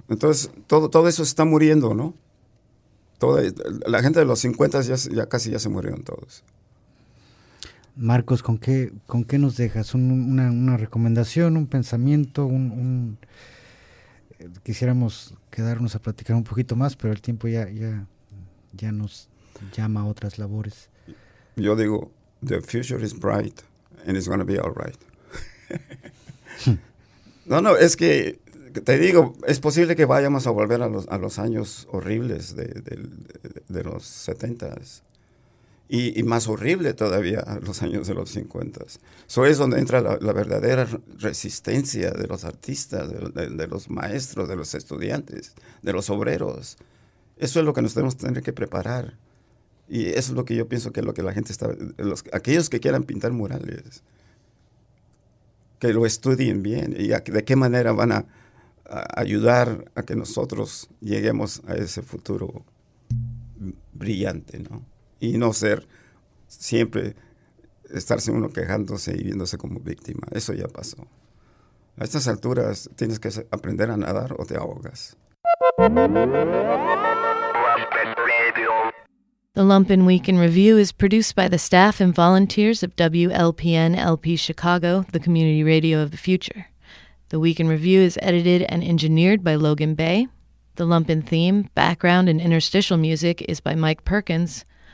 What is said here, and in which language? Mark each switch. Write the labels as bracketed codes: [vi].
[es] Entonces, todo eso está muriendo, ¿no? La gente de los 50 ya casi se murieron todos. Marcos, ¿con qué nos dejas? ¿Una recomendación, un pensamiento, un quisiéramos quedarnos a platicar un poquito más, pero el tiempo ya nos llama a otras labores. Yo digo, [en] the future is bright and it's going to be all right. [es] No, no, es que te digo, es posible que vayamos a volver a los años horribles de los 70s. Y más horrible todavía los años de los 50s. Eso es donde entra la verdadera resistencia de los artistas, de los maestros, de los estudiantes, de los obreros. Eso es lo que nos tenemos que tener que preparar. Y eso es lo que yo pienso que es lo que la gente está... aquellos que quieran pintar murales, que lo estudien bien. Y de qué manera van a ayudar a que nosotros lleguemos a ese futuro brillante, ¿no? Y no ser siempre, estarse uno quejándose y viéndose como víctima. Eso ya pasó. A estas alturas tienes que aprender a nadar o te ahogas. [en] The Lumpen Week in Review is produced by the staff and volunteers of WLPN LP Chicago, the community radio of the future. The Week in Review is edited and engineered by Logan Bay. The Lumpen theme, background, and interstitial music is by Mike Perkins.